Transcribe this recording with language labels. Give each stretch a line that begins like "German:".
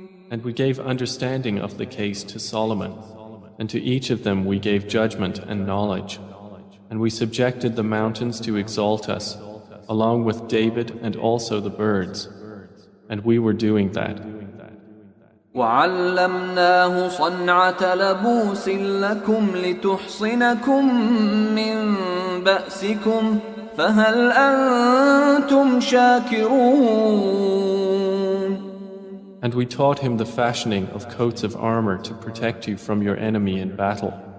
English: And we gave understanding of the case to Solomon, and to each of them we gave judgment and knowledge, and we subjected the mountains to exalt us, along with David and also the birds, and we were doing that.
Arabic: وعلمناه صنعة لبوس لكم لتحصنكم من بأسكم فهل أنتم شاكرون.
English: And we taught him the fashioning of coats of armor to protect you from your enemy in battle.